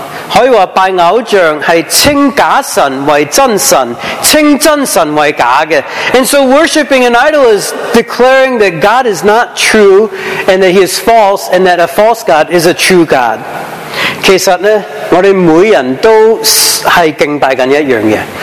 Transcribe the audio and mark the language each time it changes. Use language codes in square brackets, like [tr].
[zh] 可以说拜偶像是称假神为真神,称真神为假的. [en] And so worshipping an idol is declaring that God is not true and that He is false and that a false God is a true God. [zh] 其实呢,我们每人都是敬拜一样的.